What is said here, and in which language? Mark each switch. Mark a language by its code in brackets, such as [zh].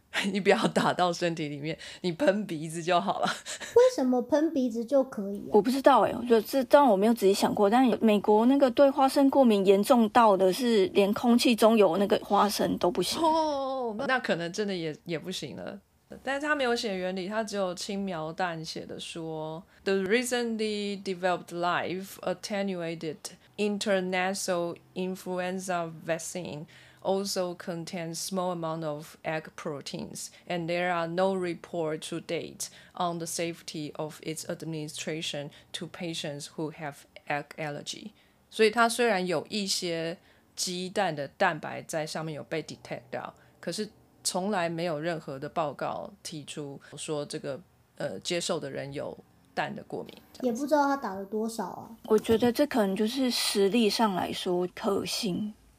[zh] 你不要打到身体里面，你喷鼻子就好了。为什么喷鼻子就可以、啊、我不知道耶、欸、当然我没有仔细想过，但美国那个对花生过敏严重到的是连空气中有那个花生都不行、哦、那可能真的 也不行了。但是他没有写原理，他只有轻描淡写的说 [en] The recently developed live attenuated intranasal influenza vaccine also contains small amount of egg proteins and there are no reports to date on the safety of its administration to patients who have egg allergy. [zh] 所以他虽然有一些鸡蛋的蛋白在上面有被 detect 到，可是从来没有任何的报告提出说这个接受的人有蛋的过敏，也不知道他打了多少啊。我觉得这可能就是实力上来说可行。